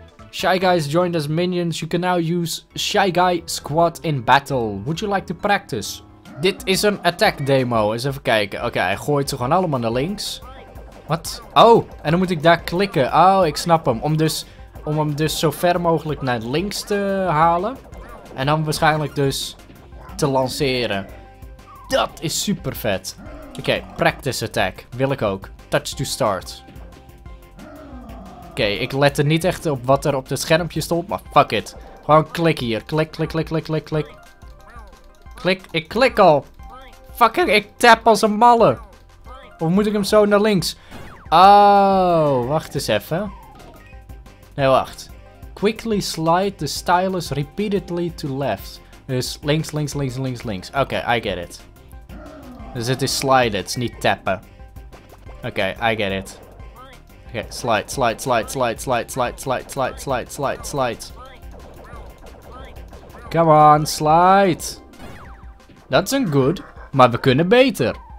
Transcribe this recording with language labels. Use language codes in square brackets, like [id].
[en] Shy guys joined as minions. You can now use Shy Guy Squad in battle. Would you like to practice? [nl] Dit is een attack demo. Eens even kijken. Oké, hij gooit ze gewoon allemaal naar links. Wat? Oh, en dan moet ik daar klikken. Oh, ik snap hem. Om hem dus zo ver mogelijk naar links te halen. En dan waarschijnlijk dus te lanceren. Dat is super vet. Oké, practice attack. Wil ik ook. [en] Touch to start. [nl] Oké, ik lette niet echt op wat er op het schermpje stond, maar fuck it. Gewoon klik hier. Klik, klik, klik, klik, klik, klik. Klik, ik klik al. Fuck it, ik tap als een malle. Of moet ik hem zo naar links? Oh, wacht eens even. Nee, wacht. [en] Quickly slide the stylus repeatedly to left. [nl] Dus links, links, links, links, links. Oké, [en] okay, I get it. [nl] Dus het is slide it, niet tappen. Oké, [en] okay, I get it. Oké, okay, slide, slide, slide, slide, slide, slide, slide, slide, slide, slide, slide. Come on, slide. [nl] Dat is een good, maar we kunnen beter.